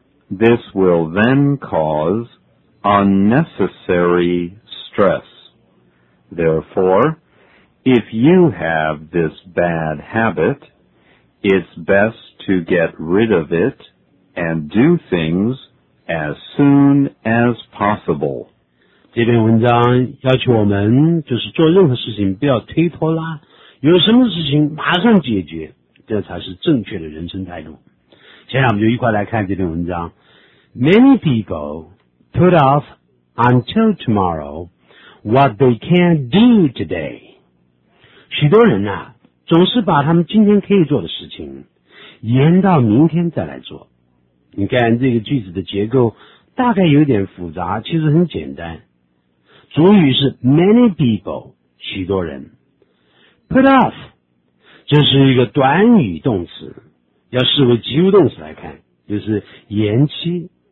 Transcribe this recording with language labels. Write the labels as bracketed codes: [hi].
[en] This will then cause unnecessary stress. Therefore,If you have this bad habit, it's best to get rid of it and do things as soon as possible. [zh] 这篇文章要求我们就是做任何事情不要推脱啦，有什么事情马上解决，这才是正确的人生态度。现在我们就一块来看这篇文章。 [en] Many people put off until tomorrow what they can't do today. [zh] 许多人啊，总是把他们今天可以做的事情延到明天再来做。你看这个句子的结构大概有点复杂，其实很简单。主语是 [en] many people， [zh] 许多人。 [en] put off， [zh] 这是一个短语动词，要视为及物动词来看，就是延期。